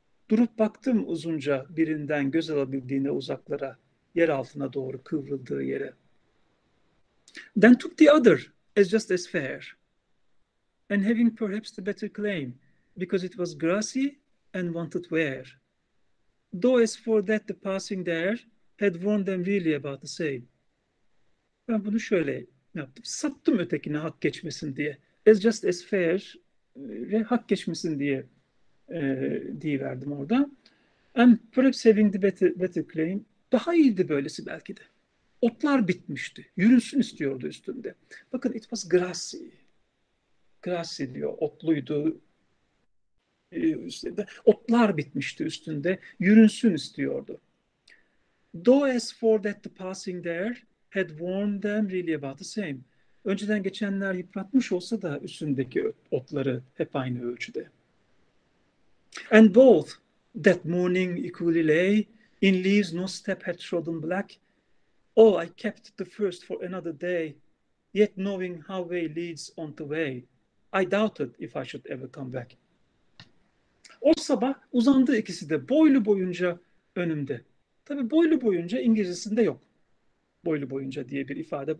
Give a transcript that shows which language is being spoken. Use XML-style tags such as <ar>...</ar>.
<tr>Durup baktım uzunca birinden göz alabildiğine uzaklara, yer altına doğru kıvrıldığı yere.</tr> <en>Then took the other as just as fair. And having perhaps the better claim, because it was grassy and wanted wear. Though as for that the passing there had warned them really about the same.</en> <tr>Ben bunu şöyle yaptım. Sattım ötekine hak geçmesin diye.</tr> <en>As just as fair</en> <tr>ve hak geçmesin diye diyiverdim orada.</tr> <en>And perhaps having the better claim,</en> <tr>daha iyiydi böylesi belki de. Otlar bitmişti. Yürünsün istiyordu üstünde. Bakın</tr> <en>it was grassy.</en> <tr>Grassy diyor, otluydu. Üstünde. Otlar bitmişti üstünde, yürünsün istiyordu.</tr> <en>Though as for that the passing there had warned them really about the same.</en> <tr>Önceden geçenler yıpratmış olsa da üstündeki otları hep aynı ölçüde.</tr> <en>And both that morning equally lay, in leaves no step had trodden black. Oh, I kept the first for another day, yet knowing how way leads on the way. I doubted if I should ever come back.</en> <tr>O sabah uzandı ikisi de boylu boyunca önümde. Tabii boylu boyunca İngilizcesinde yok. Boylu boyunca diye bir ifade.</tr>